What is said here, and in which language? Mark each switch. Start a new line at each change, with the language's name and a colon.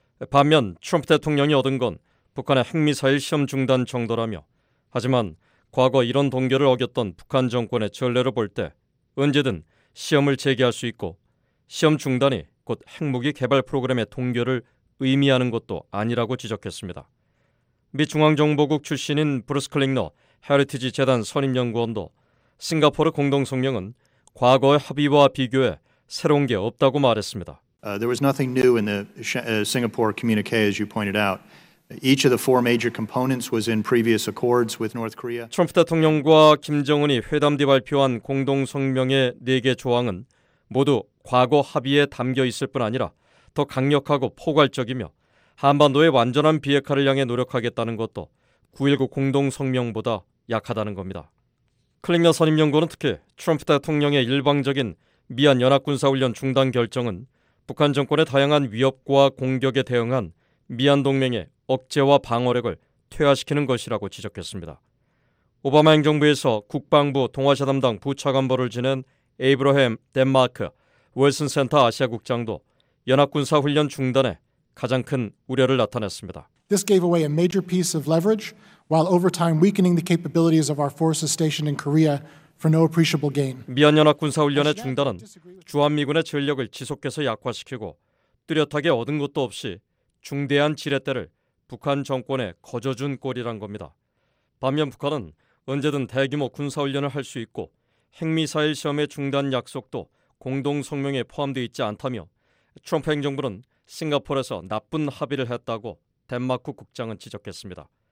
Korean: 반면 트럼프 대통령이 얻은 건 북한의 핵미사일 시험 중단 정도라며 하지만 과거 이런 동결을 어겼던 북한 정권의 전례를 볼 때 언제든 시험을 재개할 수 있고 시험 중단이 곧 핵무기 개발 프로그램의 동결을 의미하는 것도 아니라고 지적했습니다. 미 중앙정보국 출신인 브루스 클링너 헤리티지 재단 선임연구원도 싱가포르 공동성명은 과거의 합의와 비교해 새로운 게 없다고 말했습니다.
English: There was nothing new in the Singapore communique, as you pointed out. Each of the four major components was in previous accords with North Korea.
Korean: 트럼프 대통령과 김정은이 회담 뒤 발표한 공동 성명의 네 개 조항은 모두 과거 합의에 담겨 있을 뿐 아니라 더 강력하고 포괄적이며 한반도의 완전한 비핵화를 향해 노력하겠다는 것도 9.19 공동 성명보다 약하다는 겁니다. 클링너 선임 연구원은 특히 트럼프 대통령의 일방적인 미한 연합군사훈련 중단 결정은 북한 정권의 다양한 위협과 공격에 대응한 미한 동맹의 억제와 방어력을 퇴화시키는 것이라고 지적했습니다. 오바마 행정부에서 국방부 동아시아 담당 부차관보를 지낸 에이브러햄 덴마크 월슨 센터 아시아 국장도 연합군사훈련 중단에 가장 큰 우려를 나타냈습니다.
English: This gave away a major piece of leverage while over time weakening the capabilities of our forces stationed in Korea for no appreciable gain.
Korean: 미한 연합군사훈련의 중단은 주한미군의 전력을 지속해서 약화시키고 뚜렷하게 얻은 것도 없이 중대한 지렛대를 북한 정권에 거저준 꼴이란 겁니다. 반면 북한은 언제든 대규모 군사훈련을 할 수 있고 핵미사일 시험의 중단 약속도 공동성명에 포함되어 있지 않다며 트럼프 행정부는 싱가포르에서 나쁜 합의를 했다고 덴마크 국장은 지적했습니다.